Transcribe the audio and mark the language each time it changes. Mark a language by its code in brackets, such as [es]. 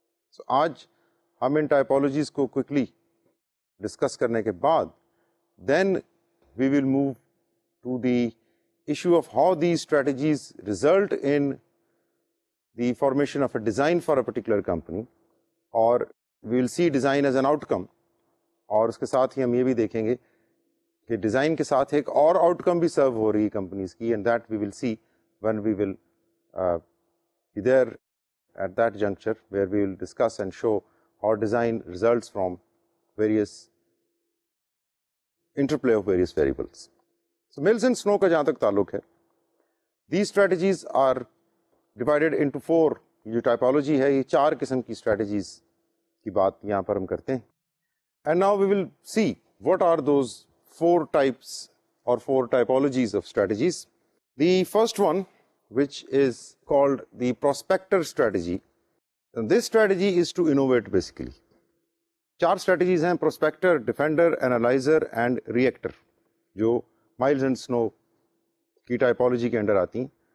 [en] So, [ur] aaj hum in typologies ko quickly discuss karne ke baad, [en] then we will move to the issue of how these strategies result in the formation of a design for a particular company, or we will see design as an outcome. [ur] اور اس کے ساتھ ہی ہم یہ بھی دیکھیں گے کہ design کے ساتھ ایک اور آؤٹ کم بھی سرو ہو رہی ہے کمپنیز کی, [en] And that we will see when we will there at that juncture where we will discuss and show or design results from various interplay of various variables. [ur] So mills and سنو کا جہاں تک تعلق ہے, [en] The strategies are divided into four. [ur] جو typology ہے یہ چار قسم کی اسٹریٹجیز کی بات یہاں پر ہم کرتے ہیں. [en] And now we will see what are those four types اور four typologies of strategies. The first one which is called the prospector strategy. This strategy is to innovate. Basically چار strategies ہیں, prospector, defender, analyser and reactor, [ur] جو miles and سنو کی typology کے under آتی ہیں.